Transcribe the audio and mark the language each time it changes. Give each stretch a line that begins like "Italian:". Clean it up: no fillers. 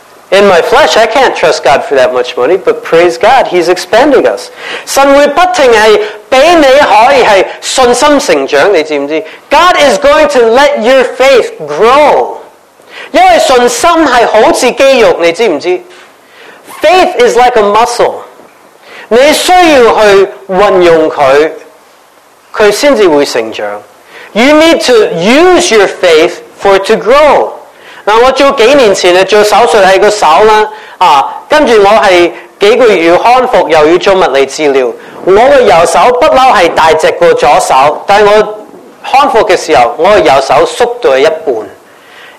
English: In my flesh, I can't trust God for that much money, but praise God, He's expanding us.
Cantonese: 神会不停系俾你可以系信心成长，你知唔知？
English: God is going to let your faith grow.
Cantonese: 因为信心系好似肌肉，你知唔知？
English: Faith is like a muscle.
Cantonese: 你需要去运用佢，佢先至会成长。
English: You need to use your faith for it to grow.
Cantonese: 我做几年前做手术喺个手啦，跟住我系几个月要康复，又要做物理治疗。我嘅右手不嬲系大只过左手，但系我康复嘅时候，我嘅右手缩到一半。